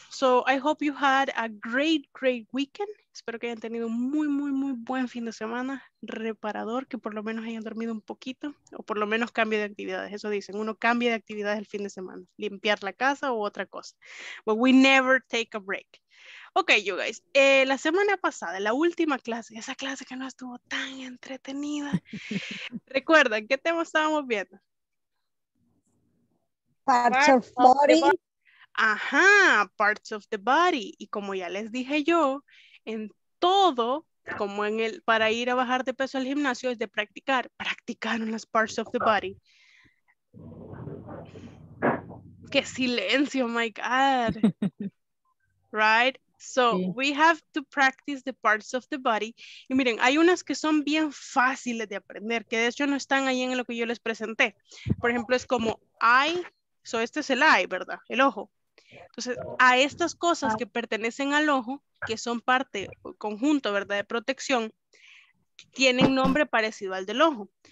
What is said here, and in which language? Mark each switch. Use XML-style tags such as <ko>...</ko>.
<en>So I hope you had a great, great weekend.</en> <es>Espero que hayan tenido un muy, muy, muy buen fin de semana. Reparador, que por lo menos hayan dormido un poquito. O por lo menos cambio de actividades. Eso dicen. Uno cambia de actividades el fin de semana. Limpiar la casa o otra cosa.</es> <en>But we never take a break. Okay, you guys.</en> <es>La semana pasada, la última clase. Esa clase que no estuvo tan entretenida. ¿Recuerdan qué tema estábamos viendo?</es> <en>Ajá, parts of the body.</en> <es>Y como ya les dije yo, en todo, como en el para ir a bajar de peso al gimnasio, es de practicar. Practicaron las</es> <en>parts of the body.</en> <es>¡Qué silencio,</es> <en>my God! Right? So, sí. We have to practice the parts of the body.</en> <es>Y miren, hay unas que son bien fáciles de aprender, que de hecho no están ahí en lo que yo les presenté. Por ejemplo, es como eye. So, este es el eye, ¿verdad? El ojo. Entonces, a estas cosas que pertenecen al ojo, que son parte, conjunto, ¿verdad?, de protección, tienen nombre parecido al del ojo.</es>